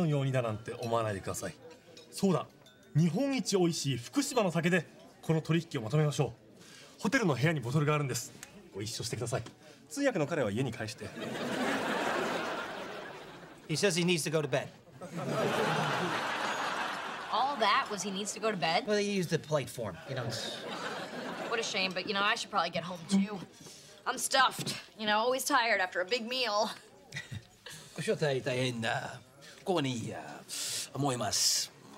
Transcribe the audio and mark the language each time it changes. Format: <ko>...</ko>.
<ja>お褒めの言葉ありがとうございます。兄のように思います。私を兄のようにだなんて思わないでください。そうだ。日本一美味しい福島の酒でこの取引をまとめましょう。ホテルの部屋にボトルがあるんです。ご一緒してください。通訳の彼は家に帰して。</ja> <en>He says he needs to go to bed. All that was he needs to go to bed? Well, they use the polite form, you know. What a shame, but you know, I should probably get home too. I'm stuffed, you know, always tired after a big meal.</en> <ja>ご招待大変ここに思います。</ja>